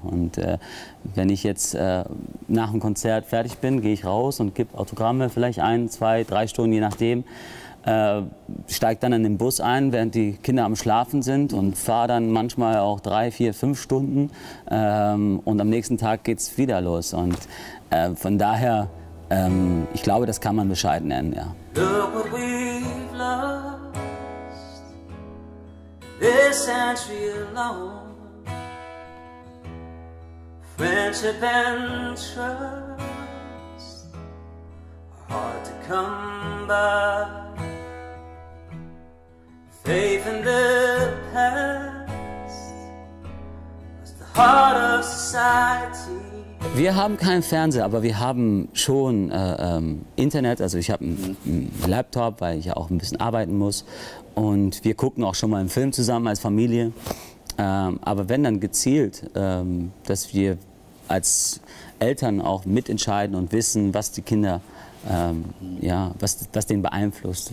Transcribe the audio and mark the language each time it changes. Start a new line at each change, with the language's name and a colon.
German: Und wenn ich jetzt nach dem Konzert fertig bin, gehe ich raus und gebe Autogramme vielleicht 1, 2, 3 Stunden, je nachdem. Steigt dann in den Bus ein, während die Kinder am Schlafen sind und fahre dann manchmal auch 3, 4, 5 Stunden und am nächsten Tag geht's wieder los und von daher, ich glaube, das kann man bescheiden nennen, ja.
English: Look what we've lost, this century alone. Friendship and trust are hard to come by. Faith in the past was the heart of society.
German: Wir haben keinen Fernseher, aber wir haben schon Internet. Also ich habe einen Laptop, weil ich ja auch ein bisschen arbeiten muss. Und wir gucken auch schon mal einen Film zusammen als Familie. Aber wenn dann gezielt, dass wir als Eltern auch mitentscheiden und wissen, was die Kinder, ja, was denen beeinflusst.